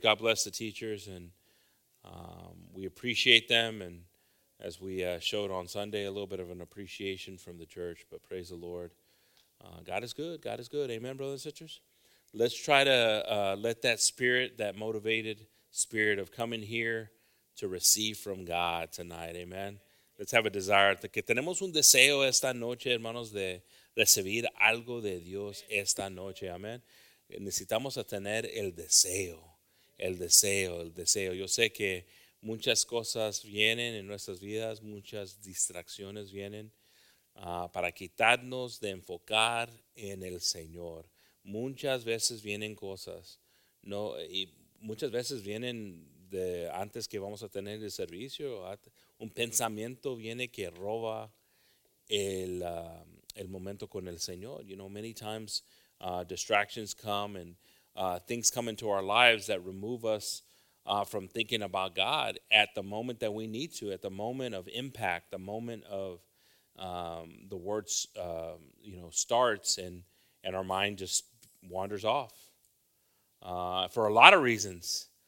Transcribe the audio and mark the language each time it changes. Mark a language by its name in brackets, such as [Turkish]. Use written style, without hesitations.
[English] God bless the teachers, and we appreciate them, and as we showed on Sunday, a little bit of an appreciation from the church, but praise the Lord. God is good. God is good. Amen, brothers and sisters. Let's try to let that spirit, that motivated spirit of coming here to receive from God tonight. Amen. Let's have a desire. [Spanish] Que tenemos un deseo esta noche, hermanos, de recibir algo de Dios esta noche. Amen. Necesitamos a tener el deseo. El deseo, el deseo. Yo sé que muchas cosas vienen en nuestras vidas, muchas distracciones vienen para quitarnos de enfocar en el Señor. Muchas veces vienen cosas, no, y muchas veces vienen de antes que vamos a tener el servicio. Un pensamiento viene que roba el momento con el Señor. [English] You know, many times distractions come and things come into our lives that remove us from thinking about God at the moment that we need to, at the moment of impact, the moment of the words, starts and our mind just wanders off for a lot of reasons.